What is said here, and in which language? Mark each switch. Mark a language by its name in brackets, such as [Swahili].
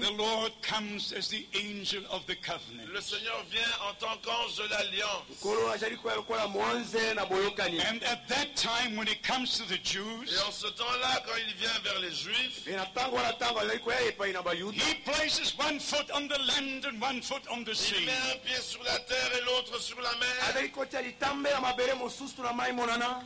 [English] the Lord comes as the angel of the covenant. [French] Le Seigneur vient en tant qu'ange de l'alliance. [English] And at that time, when he comes to the Jews, [French] et en ce temps-là, quand il vient vers les Juifs, [English] he places one foot on the land and one foot on the sea. [French] Il met un pied sur la terre et l'autre sur la mer.